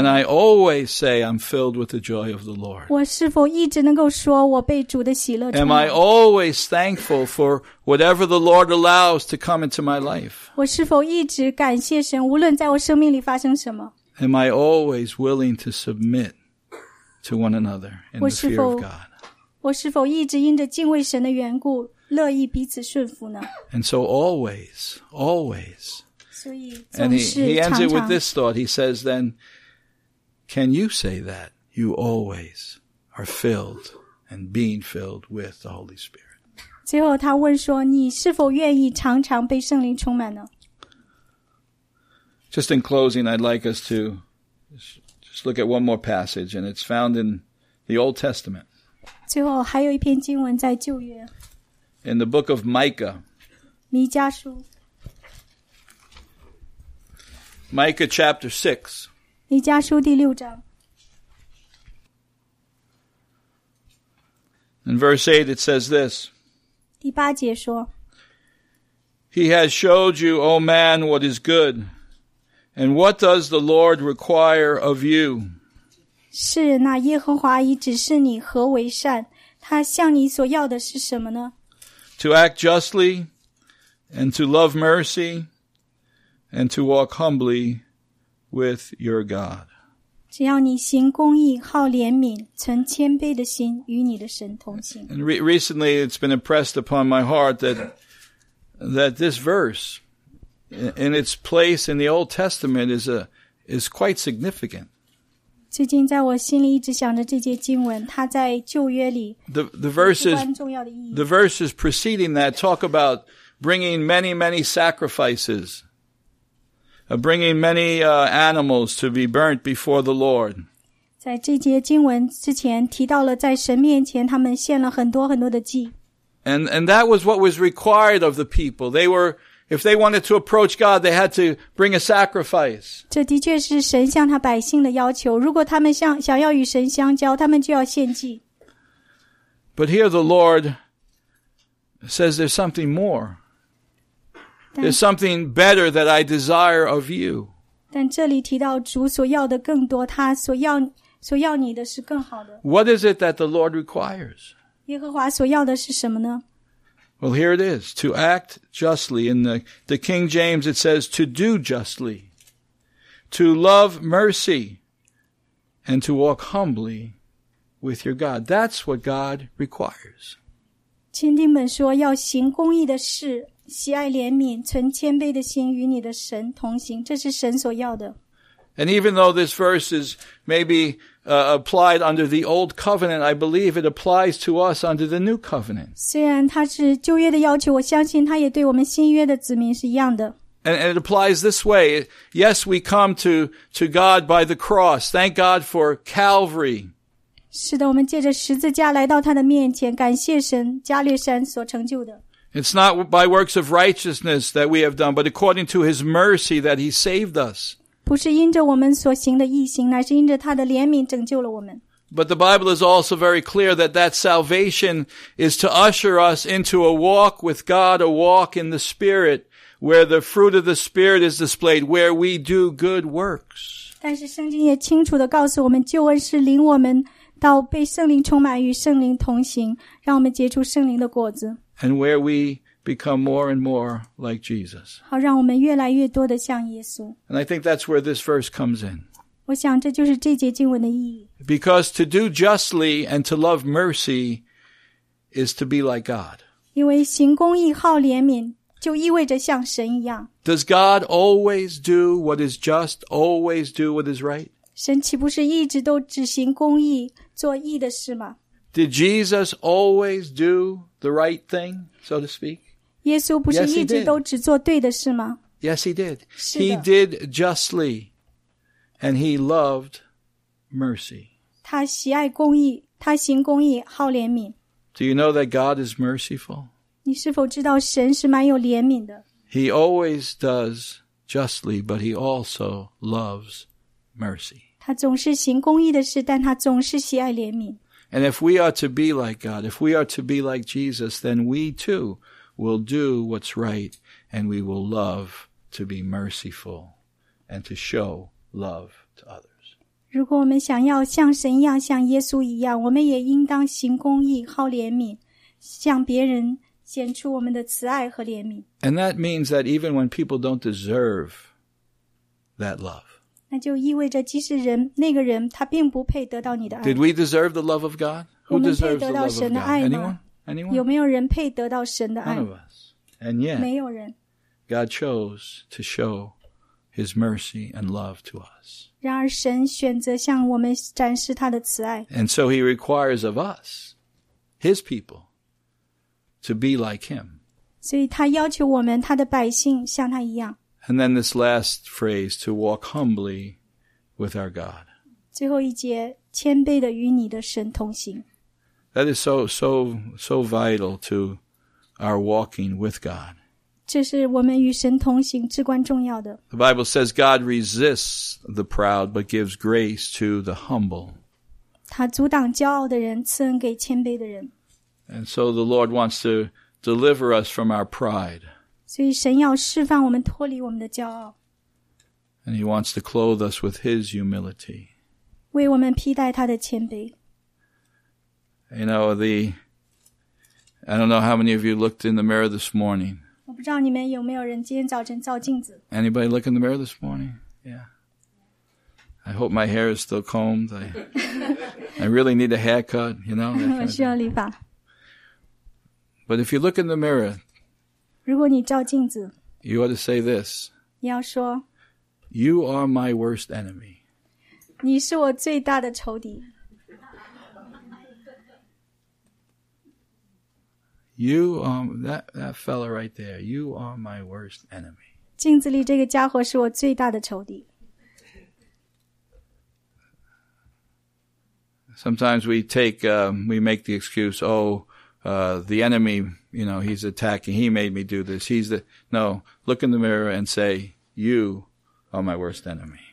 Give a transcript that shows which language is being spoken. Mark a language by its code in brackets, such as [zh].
[en] Can I always say I'm filled with the joy of the Lord? [zh] 我是否一直能够说我被主的喜乐充满。 [en] Am I always thankful for whatever the Lord allows to come into my life? [zh] 我是否一直感谢神，无论在我生命里发生什么。 [en] Am I always willing to submit to one another in the fear of God. [zh] 我是否一直因着敬畏神的缘故乐意彼此顺服呢？ [en] And so always, always, And he ends it with this thought. He says then, can you say that you always are filled and being filled with the Holy Spirit? [zh] 最后他问说，你是否愿意常常被圣灵充满呢？ [en] Just in closing, I'd like us to just look at one more passage, and it's found in the Old Testament. [zh] 最后还有一篇经文在旧约。 [en] In the book of Micah. [zh] 弥迦书。 [en] Micah chapter 6. [zh] 弥迦书第六章。 [en] In verse 8 it says this. [zh] 第八节说。 [en] He has showed you, O man, what is good. And what does the Lord require of you? [zh] 是那耶和华已指示你何为善。他向你所要的是什么呢？ [en] To act justly and to love mercy. And to walk humbly with your God. [zh] 只要你行公义，好怜悯，存谦卑的心，与你的神同行。 [en] And recently it's been impressed upon my heart that this verse in its place in the Old Testament is quite significant. [zh] 最近在我心里一直想着这节经文，它在旧约里的至关重要的意义。 [en] The verses preceding that talk about bringing many, many sacrifices. Bringing many animals to be burnt before the Lord. [zh] 在这节经文之前提到了在神面前他们献了很多很多的祭。 [en] And that was what was required of the people. They were, if they wanted to approach God, they had to bring a sacrifice. [zh] 这的确是神向他百姓的要求。如果他们想要与神相交，他们就要献祭。 [en] But here the Lord says there's something more. There's something better that I desire of you. [zh] 但这里提到主所要的更多，他所要你的是更好的。 [en] What is it that the Lord requires? [zh] 耶和华所要的是什么呢？ [en] Well, here it is. To act justly. In the King James, it says to do justly. To love mercy. And to walk humbly with your God. That's what God requires. [zh] 钦定本说要行公义的事。喜爱怜悯，存谦卑的心，与你的神同行，这是神所要的。 [en] And even though this verse is maybe applied under the old covenant, I believe it applies to us under the new covenant. [zh] 虽然它是旧约的要求，我相信它也对我们新约的子民是一样的。 [en] And it applies this way. Yes, we come to God by the cross. Thank God for Calvary. [zh] 是的，我们借着十字架来到他的面前，感谢神加略山所成就的。 [en] It's not by works of righteousness that we have done, but according to His mercy that He saved us. [zh] 不是因着我们所行的义行，乃是因着他的怜悯拯救了我们。 [en] But the Bible is also very clear that salvation is to usher us into a walk with God, a walk in the Spirit, where the fruit of the Spirit is displayed, where we do good works. [zh] 但是圣经也清楚地告诉我们，救恩是领我们到被圣灵充满，与圣灵同行，让我们结出圣灵的果子。 [en] And where we become more and more like Jesus. [zh] 好，让我们越来越多的像耶稣。 [en] And I think that's where this verse comes in. [zh] 我想这就是这节经文的意义。 [en] Because to do justly and to love mercy is to be like God. [zh] 因为行公义好怜悯就意味着像神一样。 [en] Does God always do what is just, always do what is right? [zh] 神岂不是一直都只行公义做义的事吗？ [en] Did Jesus always do the right thing, so to speak? [zh] 耶稣不是一直都只做对的事吗？ [en] Yes, he did. He did justly, and he loved mercy. [zh] 他喜爱公义，他行公义，好怜悯。 [en] Do you know that God is merciful? [zh] 你是否知道神是蛮有怜悯的？ [en] He always does justly, but he also loves mercy. [zh] 他总是行公义的事，但他总是喜爱怜悯。 [en] And if we are to be like God, if we are to be like Jesus, then we too will do what's right and we will love to be merciful and to show love to others. [zh] 如果我们想要像神一样，像耶稣一样，我们也应当行公义，好怜悯，向别人显出我们的慈爱和怜悯。 [en] And that means that even when people don't deserve that love, [zh] 那就意味着即使人那个人他并不配得到你的爱。 [en] Did we deserve the love of God? Who deserves the love of God? Anyone? Anyone? [zh] 有没有人配得到神的爱? [en] None of us. And yet, [zh] 没有人。 [en] God chose to show His mercy and love to us. [zh] 然而神选择向我们展示他的慈爱。 [en] And so He requires of us, His people, to be like Him. [zh] 所以他要求我们，他的百姓像他一样。 [en] And then this last phrase, to walk humbly with our God. [zh] 最后一节，谦卑地与你的神同行。 [en] That is so vital to our walking with God. [zh] 这是我们与神同行至关重要的。 [en] The Bible says God resists the proud, but gives grace to the humble. [zh] 他阻挡骄傲的人，赐恩给谦卑的人。 [en] And so the Lord wants to deliver us from our pride. [zh] 所以神要释放我们，脱离我们的骄傲。 [en] And He wants to clothe us with His humility. [zh] 为我们披戴他的谦卑。 [en] You know, I don't know how many of you looked in the mirror this morning. [zh] 我不知道你们有没有人今天早晨照镜子。 [en] Anybody look in the mirror this morning? Yeah. I hope my hair is still combed. I really need a haircut, you know. [zh] 我需要理发。 [en] But if you look in the mirror, [zh] 如果你照镜子, [en] you ought to say this. [zh] 你要说, [en] You are my worst enemy. [zh] 你是我最大的仇敌。 [en] You are that fella right there. You are my worst enemy. [zh] 镜子里这个家伙是我最大的仇敌。 [en] Sometimes we make the excuse, the enemy, you know, he's attacking. He made me do this. Look in the mirror and say, you are my worst enemy.